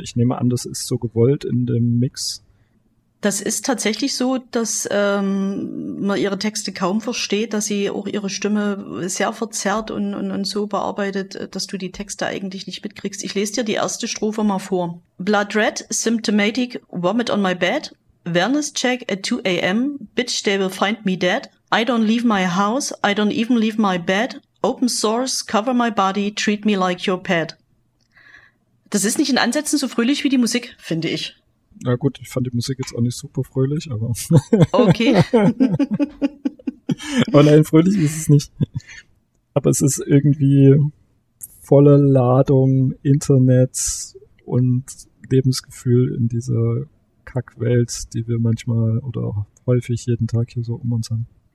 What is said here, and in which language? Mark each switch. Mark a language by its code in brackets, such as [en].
[de] Ich nehme an, das ist so gewollt in dem Mix. Das ist tatsächlich so, dass man ihre Texte kaum versteht, dass sie auch ihre Stimme sehr verzerrt und so bearbeitet, dass du die Texte eigentlich nicht mitkriegst. Ich lese dir die erste Strophe mal vor. [en] Blood red, symptomatic, vomit on my bed, wellness check at 2 a.m., bitch, they will find me dead, I don't leave my house, I don't even leave my bed, open source, cover my body, treat me like your pet. [de] Das ist nicht in Ansätzen so fröhlich wie die Musik, finde ich. Na gut, ich fand die Musik jetzt auch nicht super fröhlich, aber... Okay. Aber nein, fröhlich ist es nicht. Aber es ist irgendwie volle Ladung, Internet und Lebensgefühl in dieser Kackwelt, die wir manchmal oder auch häufig jeden Tag hier so um uns haben.